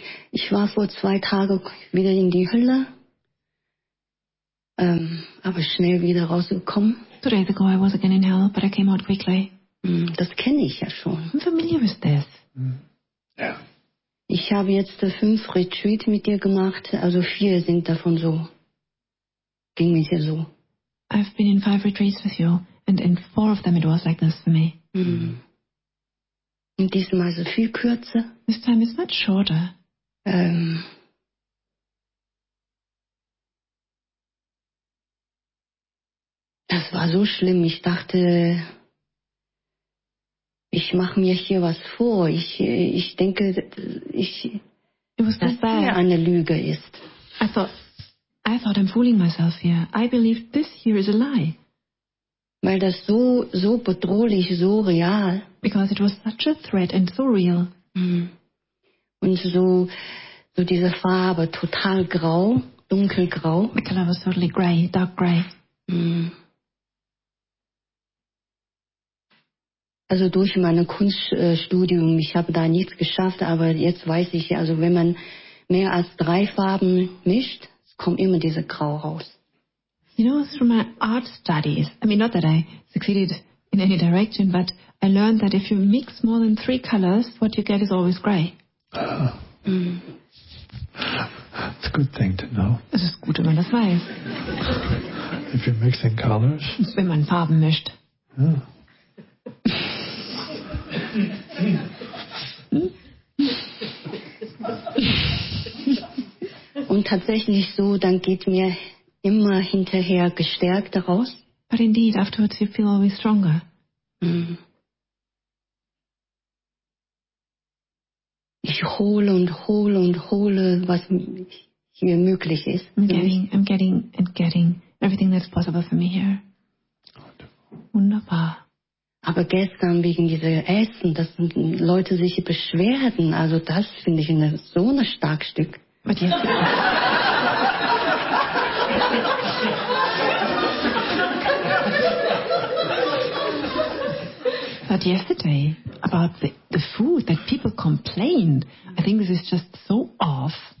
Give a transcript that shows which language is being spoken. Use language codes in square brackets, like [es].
[de] Ich war vor 2 Tagen wieder in die Hölle, aber schnell wieder rausgekommen. [en] 2 days ago I was again in hell, but I came out quickly. [de] Das kenne ich ja schon. [en] I'm familiar with this. [de] Ja. Ich habe jetzt 5 Retreats mit dir gemacht, also 4 sind davon so. Ging mir hier so. [en] I've been in 5 retreats with you, and in 4 of them it was like this for me. [de] Und diesmal so viel kürzer. [en] This time it's much shorter. [de] Das war so schlimm. Ich dachte, ich mache mir hier was vor. Ich denke, dass das hier eine Lüge ist. [en] I thought I'm fooling myself here. I believe this here is a lie. [de] Weil das so, so bedrohlich, so real. [en] Because it was such a threat and so real. [de] Und so diese Farbe, total grau, dunkelgrau. [en] The color was totally gray, dark gray. [de] Also durch mein Kunststudium, ich habe da nichts geschafft, aber jetzt weiß ich, also wenn man mehr als 3 Farben mischt, kommt immer diese Grau raus. [en] You know, through my art studies, I mean, not that I succeeded in any direction, but I learned that if you mix more than 3 colors, what you get is always gray. It's a good thing to know. [de] Es ist gut, wenn man das weiß. [en] If you're mixing colors. [de] Wenn man Farben mischt. Und tatsächlich so, dann geht mir immer hinterher gestärkt raus. [en] But indeed, afterwards you feel always stronger. [de] Ich hole und hole und hole, was mir möglich ist. [en] I'm getting and getting everything that's possible for me here. [de] Wunderbar. Aber gestern wegen dieser Essen, dass Leute sich beschwerden, also das finde ich so ein starkes Stück. [en] But yesterday, about the food that people complained, I think this is just so off.